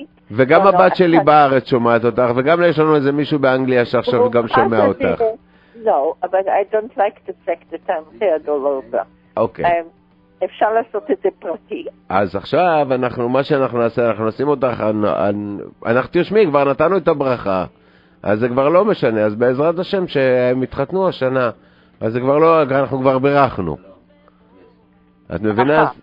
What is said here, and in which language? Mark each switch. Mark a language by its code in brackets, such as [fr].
[he] וגם הבת שלי בארץ שומעת אותך, וגם יש לנו איזה מישהו באנגליה שעכשיו גם שומע אותך. [en] No, but I don't like to take the time here all over. אוקיי. [he] אפשר לעשות את זה פרטי. אז עכשיו אנחנו, מה שאנחנו נעשה, אנחנו נשים אותך, אנחנו תשמעי, כבר נתנו את הברכה. אז זה כבר לא משנה, אז בעזרת השם שהם התחתנו השנה, אז זה כבר לא, אנחנו כבר בירכנו. את מבינה?